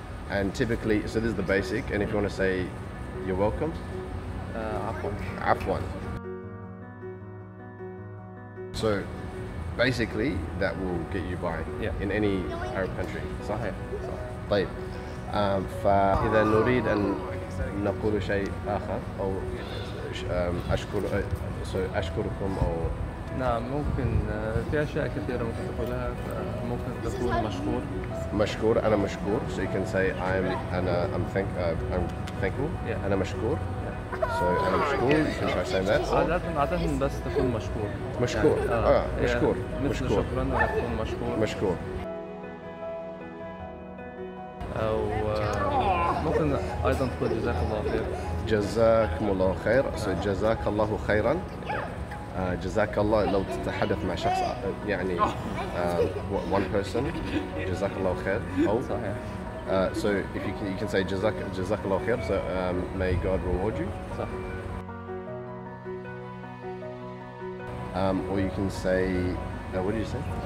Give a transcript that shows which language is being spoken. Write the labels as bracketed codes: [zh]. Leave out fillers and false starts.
[en] And typically, so this is the basic, and if you want to say you're welcome. [ar] Afwan. [en] So. Basically, that will get you by in any Arab country. [ar] صحيح. طيب. فإذا نريد أن نقول شيء آخر أو أشكر أشكركم أو. نعم ممكن في أشياء كثيرة ممكن تقولها، ممكن تقول مشكور. مشكور أنا مشكور. [en] So you can say I'm thankful. Yeah. [ar] أنا مشكور. [en] So [ar] أنا مشكور. [en] You can try saying that. [ar] عادةً بس تكون مشكور. مشكور. يعني مشكور. مشكور. شكراً تكون مشكور. مشكور. أو ممكن أيضاً تقول جزاك الله خير. جزاك الله خير. So جزاك الله خيراً. جزاك الله لو تتحدث مع شخص يعني [en] one person. [ar] جزاك الله خير. أو. صحيح. [en] So if you can say [ar] jazakallahu khair, [en] so may God reward you. Or you can say, what did you say?